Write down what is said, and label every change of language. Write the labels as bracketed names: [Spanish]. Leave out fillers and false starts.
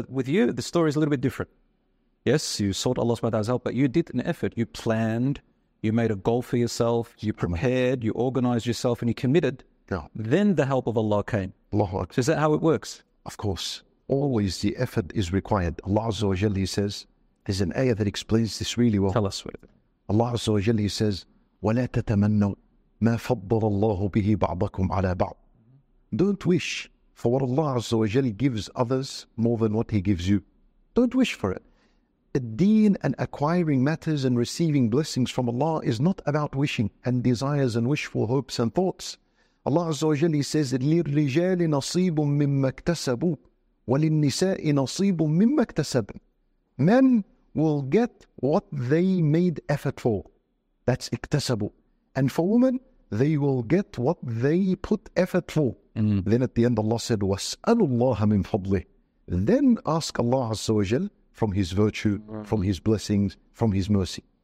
[English] But with you, the story is a little bit different. Yes, you sought Allah's help, but you did an effort. You planned. You made a goal for yourself. You prepared. You organized yourself and you committed. Yeah. Then the help of Allah came. Allahu Akbar. So is that how it works? Of course. Always the effort is required. Allah Azza wa Jalla, he says... There's an ayah that explains this really well. Tell us what it is. Allah Azza wa Jalla says, [Arabic] وَلَا تَتَمَنَّوا مَا فَضَّلَ اللَّهُ بِهِ بَعْضَكُمْ عَلَى بَعْضٍ. [English] Don't wish for what Allah Azza wa Jalla gives others more than what He gives you. Don't wish for it. The deen and acquiring matters and receiving blessings from Allah is not about wishing and desires and wishful hopes and thoughts. Allah Azza wa Jalla says, [Arabic] لِلْرِجَالِ نَصِيبٌ مِمَّا اكْتَسَبُوا وَلِلنِّسَاءِ نَصِيبٌ مِمَّا اكْتَسَبْنَ. [English] Men will get what they made effort for. That's iktasabu. And for women, they will get what they put effort for. Mm. Then at the end, Allah said, [Arabic] وَاسْأَلُ اللَّهَ مِنْ فَضْلِهِ. [English] Then ask Allah Azza wa Jal from His virtue, from His blessings, from His mercy.